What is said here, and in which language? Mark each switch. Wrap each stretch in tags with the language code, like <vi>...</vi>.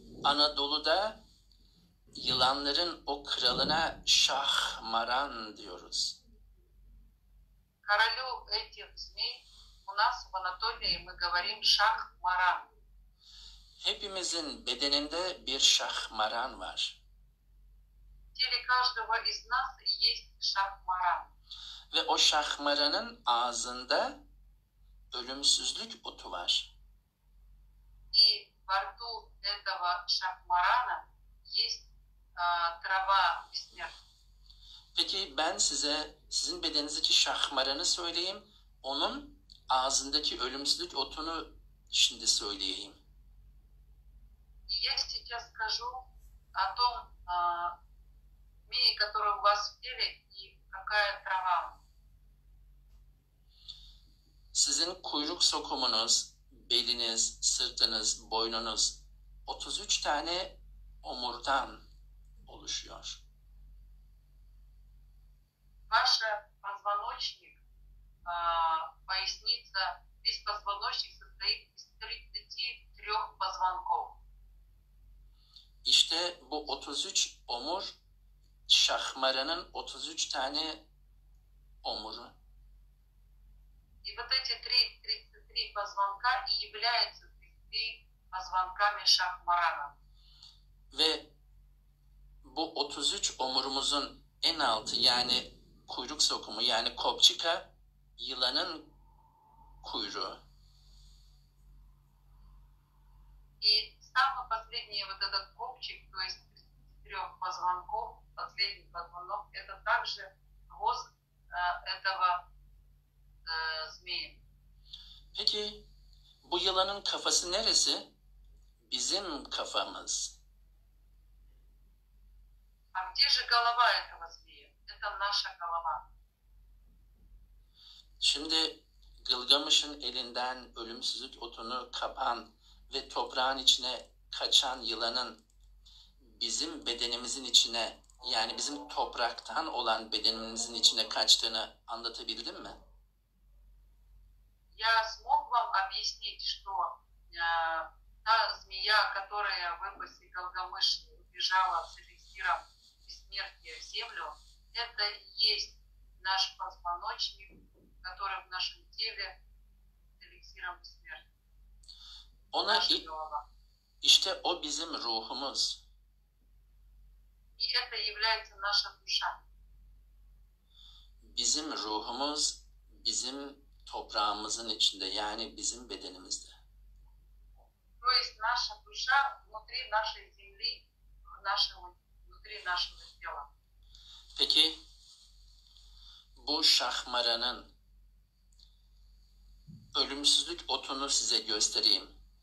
<tr>Anadolu'da yılanların o kralına Şahmaran diyoruz.</tr> <ru>Королю этих змей у нас в Анатолии мы говорим Şahmaran.</ru> <tr>Hepimizin bedeninde bir Şahmaran var.</tr> <ru>В теле каждого из нас есть Şahmaran.</ru> <tr>Ve o Şahmaran'ın ağzında ölümsüzlük otu var.</tr> <ru>И во рту этого шахмарана есть трава бессмертия.</ru> <tr>Peki ben size sizin bedeninizdeki şahmaranı söyleyeyim, onun ağzındaki ölümsüzlük otunu şimdi söyleyeyim.</tr> <ru>Я сейчас скажу о том змее, которая у вас в теле, и какая трава.</ru> <tr>Sizin kuyruk sokumunuz, beliniz, sırtınız, boynunuz 33 tane omurdan oluşuyor.</tr> <ru>Ваша позвоночник, поясница, весь позвоночник состоит из 33 позвонков.</ru> <tr>İşte bu 33 omur Şahmaran'ın 33 tane omuru.</tr> <ru>И вот эти 33 позвонка и являются 33 позвонками Şahmaran'a.</ru> <tr>Ve bu 33 omurumuzun en altı, yani kuyruk sokumu, yani kopçika, yılanın kuyruğu.</tr> <ru>И самый последний вот этот копчик, то есть 33 позвонков, последний позвонок, это также хвост этого змеи.</ru> <tr>Peki bu yılanın kafası neresi? Bizim kafamız.</tr> <ru>А где же голова этого змея? Это наша голова.</ru> <tr>Şimdi Gılgamış'ın elinden ölümsüzlük otunu kapan ve toprağın içine kaçan yılanın bizim bedenimizin içine, yani bizim topraktan olan bedenimizin içine kaçtığını anlatabildim mi?</tr> <ru>Я смог вам объяснить, что та змея, которая в эпосе Галгамыш убежала с эликсиром бессмертие в землю, это и есть наш позвоночник, который в нашем теле эликсиром бессмертия. Она и...</ru> <tr>İşte o bizim ruhumuz.</tr> <ru>И это является наша душа.</ru> <tr>Bizim ruhumuz bizim toprağımızın içinde, yani bizim bedenimizde.</tr> <ru>То есть наша душа внутри нашей земли, внутри нашего тела.</ru> <tr>Peki bu şahmaranın ölümsüzlük otunu size göstereyim.</tr>